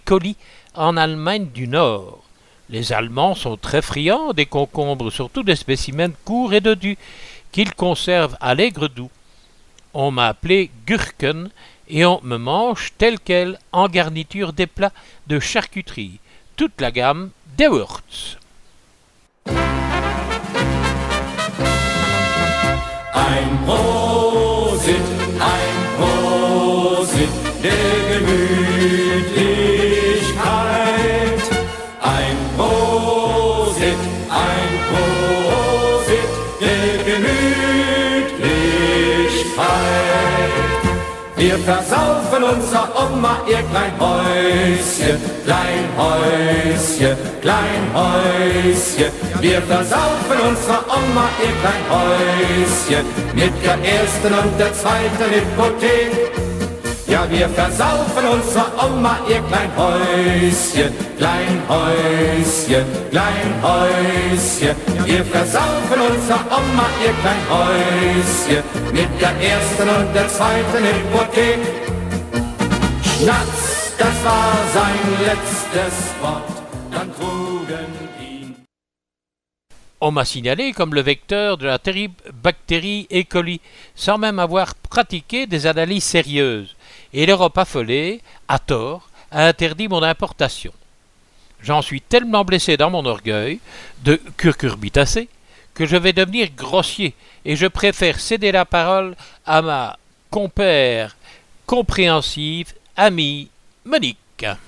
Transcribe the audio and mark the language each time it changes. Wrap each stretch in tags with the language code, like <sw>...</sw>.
<fr>coli en Allemagne du Nord. Les Allemands sont très friands des concombres, surtout des spécimens courts et dodus, qu'ils conservent à l'aigre doux. On m'a appelé Gurken et on me mange tel quel en garniture des plats de charcuterie, toute la gamme des Wurz.</fr> <de>Ein Prosit, ein Prosit der Gemütlichkeit. Ein Prosit, ein Prosit der Gemütlichkeit. Wir versaufen unser Oma, ihr klein Häuschen, klein Häuschen, klein Häuschen. Wir versaufen unserer Oma ihr klein Häuschen mit der ersten und der zweiten Hypothek. Ja, wir versaufen unserer Oma ihr klein Häuschen, klein Häuschen, klein Häuschen. Wir versaufen unserer Oma ihr klein Häuschen mit der ersten und der zweiten Hypothek. Schnaps, das war sein letztes Wort, dann trugen.</de> <fr>on m'a signalé comme le vecteur de la terrible bactérie E. coli, sans même avoir pratiqué des analyses sérieuses. Et l'Europe affolée, à tort, a interdit mon importation. J'en suis tellement blessé dans mon orgueil de cucurbitacé que je vais devenir grossier et je préfère céder la parole à ma compère compréhensive amie Monique.</fr>